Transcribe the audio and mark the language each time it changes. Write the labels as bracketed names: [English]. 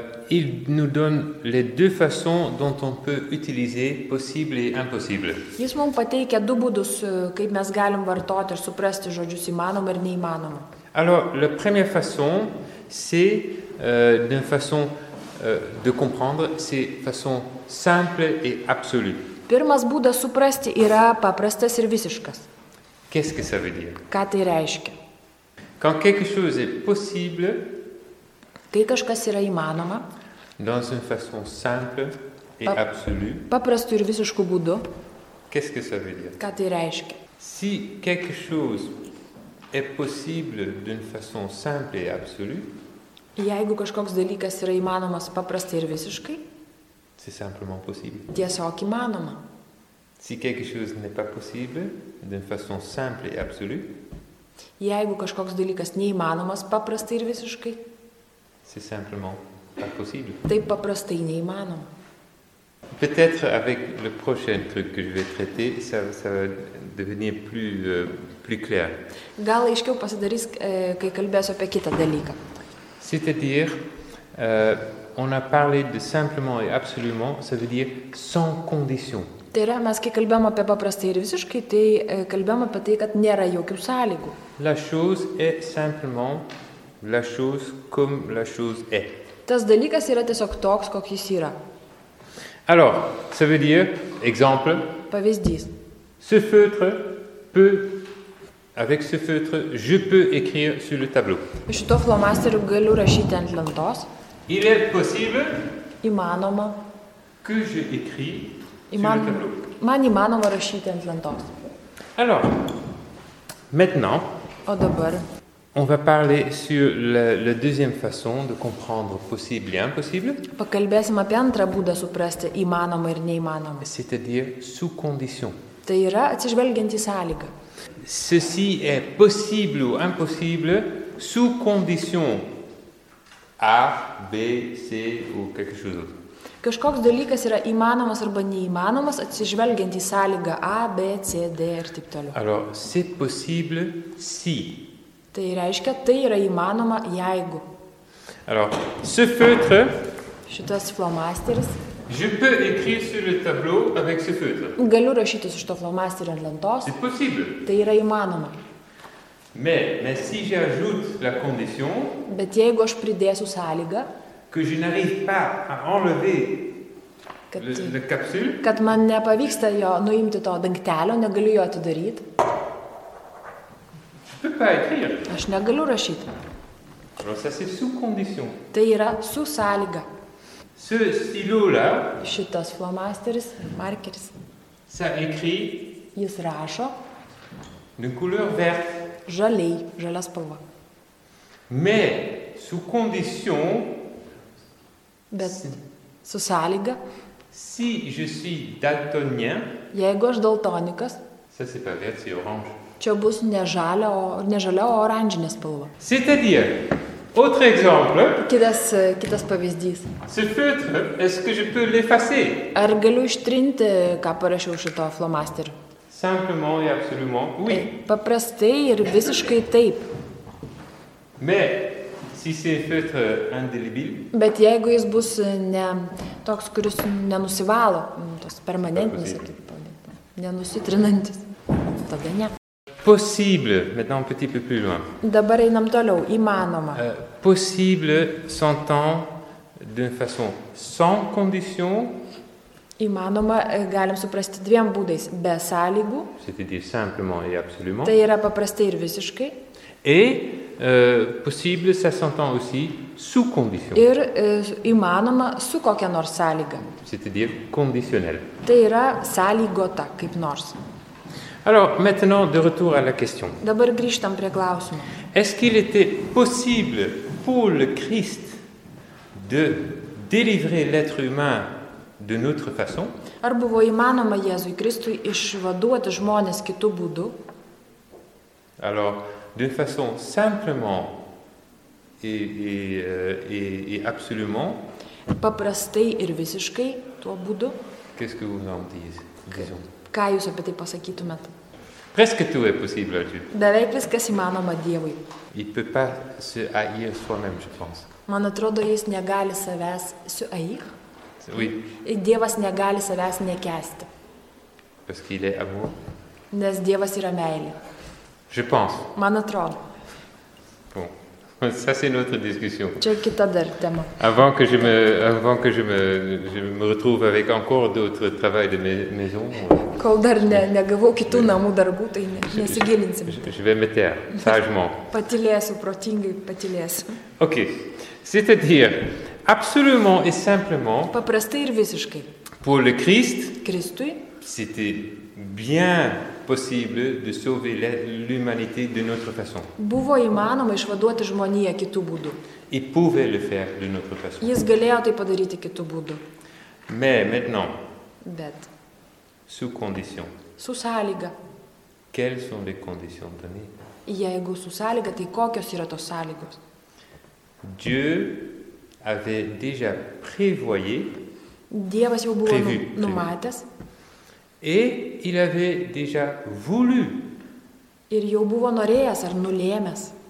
[French] il nous donne les deux façons dont on peut utiliser possible et impossible. [Lithuanian] Jis mums pateikia du būdus, kaip mes galim vartoti ir suprasti žodžius įmanoma ir neįmanoma. [French] Alors, la première façon, c'est d'une façon de comprendre, c'est façon simple et absolue. [Lithuanian] Pirmas būdas suprasti yra paprastas ir visiškas. [French] Qu'est-ce que ça veut dire? [Lithuanian] Ką tai reiškia? [French] Quand quelque chose est possible, [Lithuanian] kai kažkas yra įmanoma, [French] dans une façon simple et absolue, [Lithuanian] paprastu ir visišku būdu, [French] qu'est-ce que ça veut dire? [Lithuanian] Ką tai reiškia? [French] Si quelque chose est possible d'une façon simple et absolue, [Lithuanian] jeigu kažkoks dalykas yra įmanomas paprastai ir visiškai, [French] c'est simplement possible. [Lithuanian] Tiesiog įmanoma. [French] Si quelque chose n'est pas possible d'une façon simple et absolue, [Lithuanian] jeigu kažkoks dalykas neįmanomas paprastai ir visiškai, [French] c'est simplement pas possible. [Lithuanian] Taip paprastai neįmanoma. [French] Peut-être avec le prochain truc que je vais traiter, ça va devenir plus clair. [Lithuanian] Gal aiškiau pasidarys, kai kalbėsiu apie kitą dalyką. [French] C'est-à-dire, on a parlé de simplement et absolument, ça veut dire sans condition. [Lithuanian] Tai yra, mes kai kalbėjom apie paprastai ir visiškai, tai kalbėjom apie tai, kad nėra jokių sąlygų. [French] La chose est simplement la chose comme la chose est. [Lithuanian] Tas dalykas yra tiesiog toks, koks jis yra. [French] Alors, ça veut dire, exemple. [Lithuanian] Pavyzdys. [French] Ce feutre peut... Avec ce feutre, je peux écrire sur le tableau. [Lithuanian] Šito flomasterio galiu rašyti ant lentos. [French] Il est possible? [Lithuanian] Įmanoma. [French] Que je écris sur le tableau. [Lithuanian] Man įmanoma rašyti ant lentos. [French] Alors, maintenant, [Lithuanian] o dabar, [French] on va parler sur la deuxième façon de comprendre possible et impossible. [Lithuanian] Pakalbėsim apie antrą būdą suprasti įmanoma ir neįmanoma. [French] C'est-à-dire sous condition. [Lithuanian] Tai yra atsižvelgiant į sąlygą. [French] Ceci est possible ou impossible sous condition A, B, C ou quelque chose d'autre. [Lithuanian] Kažkoks dalykas yra įmanomas arba neįmanomas atsižvelgiant į sąlygą A, B, C, D ir taip toliau. [French] Alors, c'est possible si. [Lithuanian] Tai reiškia, tai yra įmanoma jeigu. [French] Alors, ce feutre. [Lithuanian] Šitas flomasteris. [French] Je peux écrire sur le tableau avec ce feutre. [Lithuanian] Galiu rašyti su šito flomasterio ant lentos. [French] C'est possible. [Lithuanian] Tai yra įmanoma. [French] Mais si j'ajoute la condition. [Lithuanian] Bet jeigu aš pridėsiu sąlygą. [French] Que je n'arrive pas à enlever le capsule. [Lithuanian] Kad man nepavyksta jo nuimti to dangtelio, negaliu jo atidaryti. [French] Je peux pas écrire. [Lithuanian] Aš negaliu rašyti. [French] Alors ça c'est sous condition. [Lithuanian] Tai yra su sąlyga. [French] Ce stylo là, [Lithuanian] šitas flomasteris, markeris. [French] Ça écrit. [Lithuanian] Jis rašo. [French] De couleur verte. [Lithuanian] Žaliai, žalia spalva. [French] Mais sous condition. [Lithuanian] Bet su sąlyga. [French] Si je suis daltonien. [Lithuanian] Jeigu aš daltonikas. [French] Ça c'est pas vert, c'est orange. [Lithuanian] Čia bus ne žalia, o oranžinė spalva. [French] C'est-à-dire. Autre exemple. [Lithuanian] Kitas pavyzdys. [French] Ce feutre, est-ce que je peux l'effacer? [Lithuanian] Ar galiu ištrinti, ką parašiau šito flomasterio? [French] Simplement et absolument, oui. [Lithuanian] Paprastai ir visiškai taip. [French] Mais, si c'est un feutre indélébile. [Lithuanian] Bet jeigu jis bus ne toks, kuris nenusivalo, tos permanentinis, nenusitrinantis, tada ne. [French] Possible, maintenant un petit peu plus loin. [Lithuanian] Dabar einam toliau, įmanoma. [French] Possible s'entend d'une façon sans condition [Lithuanian] Įmanoma, galim suprasti dviem būdais – be sąlygų. [French] C'est-à-dire simplement et absolument. [Lithuanian] Tai yra paprastai ir visiškai. [French] Et possible, ça s'entend aussi sous condition. [Lithuanian] Ir įmanoma su kokia nors sąlyga. [French] C'est-à-dire conditionnel. [Lithuanian] Tai yra sąlygota kaip nors. [French] Alors, maintenant, de retour à la question. [Lithuanian] Dabar grįžtam prie klausimo. [French] Est-ce qu'il était possible pour le Christ de délivrer l'être humain de notre façon? [Lithuanian] Ar buvo įmanoma Jėzui Kristui išvaduoti žmonės kitų būdų? [French] Alors, d'une façon simplement et absolument. [Lithuanian] Paprastai ir visiškai tuo būdu. [French] Qu'est-ce que vous en dites, disons? [Lithuanian] Ką jūs apie tai pasakytumėt? [French] Presque tout est possible à Dieu. [Lithuanian] Beveik viskas įmanoma Dievui. [French] Il peut pas se haïr soi-même, je pense. [Lithuanian] Man atrodo, jis negali savęs su [French] haïr. Oui. [Lithuanian] Ir Dievas negali savęs nekęsti. [French] Parce qu'il est amour. [Lithuanian] Nes Dievas yra meilė. [French] Je pense. [Lithuanian] Man atrodo. [French] Bon. Ça, c'est une autre discussion. [Lithuanian] Čia kita dar tema. [French] Avant que je me retrouve avec encore d'autres travail de maison. [Lithuanian] Kol dar negavau kitų namų darbų, tai nesigilinsim. [French] Je vais me taire, sagement. [Lithuanian] Patilėsiu, protingai patilėsiu. Ok. [French] C'est-à-dire, absolument et simplement, [Lithuanian] paprastai ir visiškai, [French] pour le Christ, [Lithuanian] Kristui, [French] c'était bien possible de sauver l'humanité de notre façon. [Lithuanian] Buvo įmanoma išvaduoti žmoniją kitų būdų. [French] Il pouvait le faire de notre façon. [Lithuanian] Jis galėjo tai padaryti kitų būdų. [French] Mais maintenant, [Lithuanian] bet, [French] sous condition. [Lithuanian] Su sąlyga. [French] Quelles sont les conditions données? [Lithuanian] Jeigu su sąlyga, tai kokios yra tos sąlygos? [French] Dieu avait déjà prévoyé. [Lithuanian] Dievas jau buvo numatęs. [French] Et il avait déjà voulu. [Lithuanian] Ir jau buvo norėjęs ar nulėmęs.